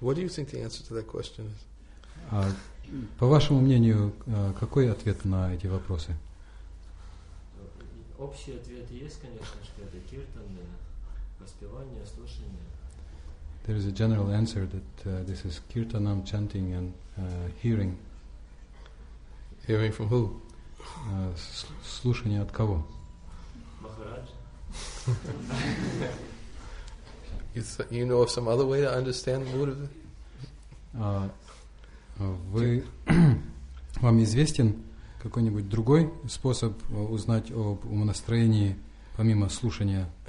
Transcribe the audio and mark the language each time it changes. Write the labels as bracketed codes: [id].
[en] What do you think the answer to that question is? [ru] По вашему мнению, какой ответ на эти вопросы? Общий ответ есть, конечно, что это киртаны, воспевание, слушание. [en] There is a general answer that this is kirtanam, chanting and hearing. Hearing from who? [ru] Слушание от кого? Махарадж. [en] You know of some other way to understand the Buddha? [ru] Вы вам известен какой-нибудь другой способ узнать об умонастроении помимо слушания?